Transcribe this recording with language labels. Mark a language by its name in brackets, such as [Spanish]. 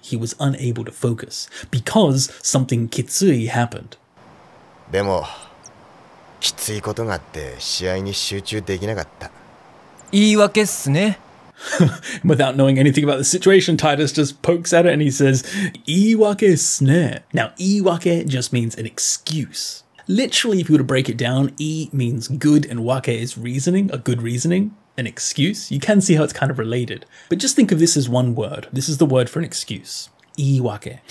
[English] He was unable to focus because something kitsui happened. [Japanese] でも、きついことがあって試合に集中できなかった。言い訳っすね。 [English] Without knowing anything about the situation, Titus just pokes at it and he says, [Japanese] 言い訳っすね。 [English] Now, 言い訳 just means an excuse. Literally, if you were to break it down, e means good and wake is reasoning, a good reasoning, an excuse. You can see how it's kind of related. But just think of this as one word. This is the word for an excuse. E wake.